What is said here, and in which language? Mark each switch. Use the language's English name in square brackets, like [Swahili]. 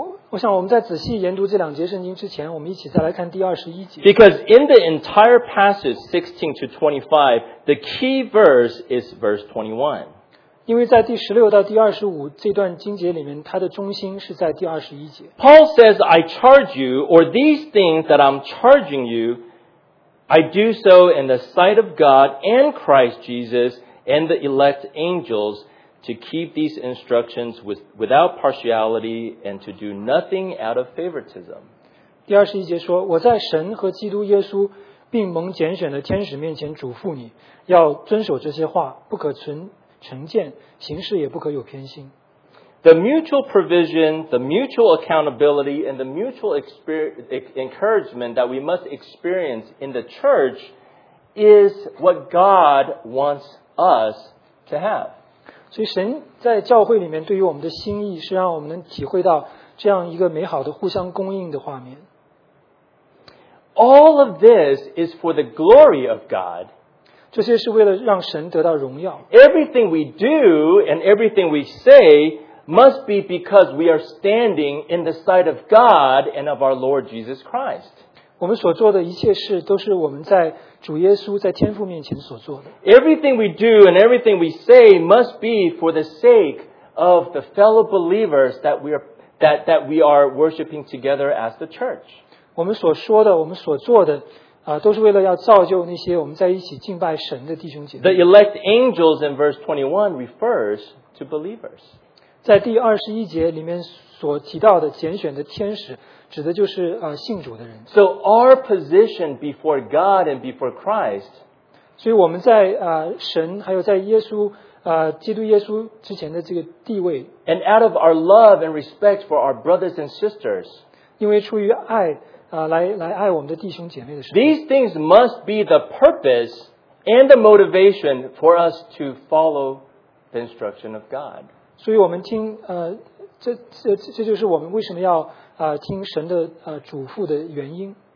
[Chinese] 我想我们在仔细研读这两节圣经之前，我们一起再来看第二十一节。 [English] Because in the entire passage 16 to 25, the key verse is verse 21. [Chinese] 因为在第十六到第二十五这段经节里面，它的中心是在第二十一节。 [English] Paul says, I charge you, or these things that I'm charging you, I do so in the sight of God and Christ Jesus and the elect angels. To keep these instructions without partiality and to do nothing out of favoritism. [Chinese] 第二十一节说，我在神和基督耶稣并蒙拣选的天使面前嘱咐你，要遵守这些话，不可存成见，行事也不可有偏心。 [English] The mutual provision, the mutual accountability, and the mutual encouragement that we must experience in the church is what God wants us to have. [Chinese] 所以神在教会里面对于我们的心意是让我们能体会到这样一个美好的互相供应的画面。 [English] All of this is for the glory of God. [Chinese] 这些是为了让神得到荣耀。 [English] Everything we do and everything we say must be because we are standing in the sight of God and of our Lord Jesus Christ. [Chinese] 我们所做的一切事都是我们在主耶稣在天父面前所做的。 [English] Everything we do and everything we say must be for the sake of the fellow believers that we are worshiping together as the church. [Chinese] 我们所说的，我们所做的、都是为了要造就那些我们在一起敬拜神的弟兄姐妹。 [English] The elect angels in verse 21 refers to believers. [Chinese] 在第二十一节里面所提到的拣选的天使指的就是、信主的人。 [English] So our position before God and before Christ, [Chinese] 所以我们在、神还有在耶稣、基督耶稣之前的这个地位。 [English] And out of our love and respect for our brothers and sisters, [Chinese] 因为出于爱、来爱我们的弟兄姐妹的时候。 [English] These things must be the purpose and the motivation for us to follow the instruction of God. [Chinese] 所以我们听、这就是我们为什么要听神的嘱咐的原因。